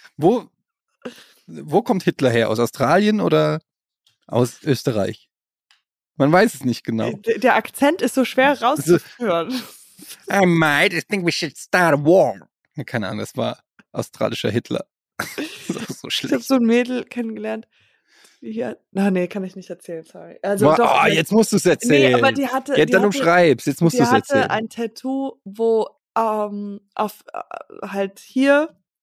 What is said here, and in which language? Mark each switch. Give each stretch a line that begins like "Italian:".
German: Wo kommt Hitler her? Aus Australien oder aus Österreich? Man weiß es nicht genau. Der Akzent ist so schwer rauszuhören.
English: I might think we should start a war.
German: Keine Ahnung, das war australischer Hitler. Das ist auch so schlecht. Ich habe so ein Mädel kennengelernt. Ja. Na, nee, kann ich nicht erzählen, sorry. Also, doch, oh, jetzt musst du es erzählen. Nee, aber die hatte. Jetzt dann umschreibst, jetzt musst du es erzählen. Die hatte ein Tattoo, wo auf halt hier.